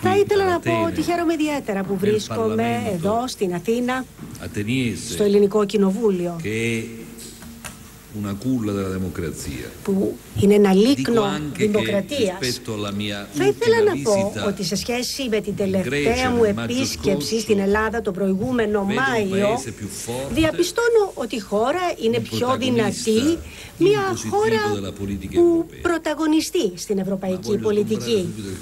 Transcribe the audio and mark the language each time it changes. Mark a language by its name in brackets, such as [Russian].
[Greek] Θα ήθελα να πω ότι χαίρομαι ιδιαίτερα που βρίσκομαι εδώ στην Αθήνα, [Italian] Ateniese, [Greek] στο Ελληνικό Κοινοβούλιο. [Italian] Che è una culla della democrazia. [Greek] Που είναι ένα λίκνο δημοκρατίας. [Italian] Rispetto alla mia [Greek] θα ήθελα να πω ότι σε σχέση με την τελευταία μου επίσκεψη στην Ελλάδα τον προηγούμενο Μάιο, διαπιστώνω ότι η χώρα είναι πιο δυνατή, μια χώρα που πρωταγωνιστεί στην ευρωπαϊκή πολιτική.